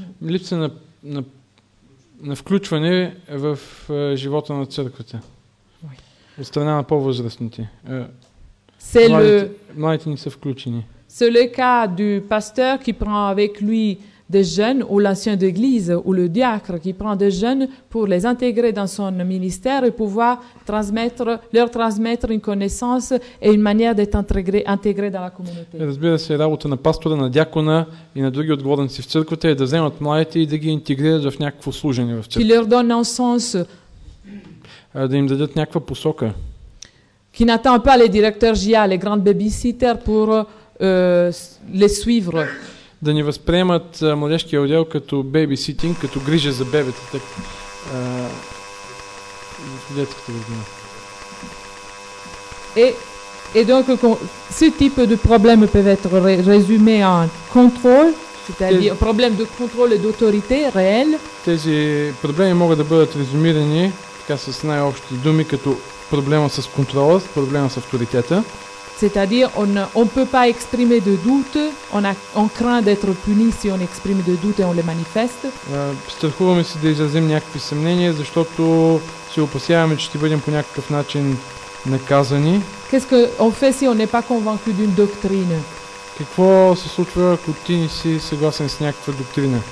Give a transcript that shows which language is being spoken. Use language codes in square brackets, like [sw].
[bg] Липса на, на, на включване в живота на църквата. От страна на по-възрастните. [fr] C'est [bg] младите не са включени. [fr] C'est le cas du pasteur qui prend avec lui des jeunes, ou l'ancien d'église, ou le diacre qui prend des jeunes pour les intégrer dans son ministère et pouvoir transmettre, leur transmettre une connaissance et une manière d'être intégré dans la communauté. [bg] Разбира се, работа на пастора, на дякона и на други отговорници в църквата е да вземат младите и да ги интегрират в някакво служение в църквата. [fr] Qui leur donne un sens. [bg] Да им дадат някаква посока. [fr] Qui n'attend pas les directeurs GIA, les grandes babysitters, pour les suivre. [bg] Да ни възприемат младежкия отдел като бейбиситинг, като грижа за бебета, так, детската година. [fr] Et donc, ce type de problème peut être résumé en contrôle, c'est-à-dire problème de contrôle et d'autorité réelle. [bg] Тези проблеми могат да бъдат резюмирани така с най-общи думи, като проблема с контрола, проблема с авторитета. [fr] C'est-à-dire, on ne peut pas exprimer de doute, on craint d'être puni si on exprime de doute et on le manifeste. [bg] Страхуваме се да изразим някакви съмнения, защото се опасяваме, че ще бъдем по някакъв начин наказани. [fr] Qu'est-ce qu'on fait si on n'est pas convaincu d'une doctrine? [bg] Какво се случва, ако ти не си съгласен с някаква доктрина?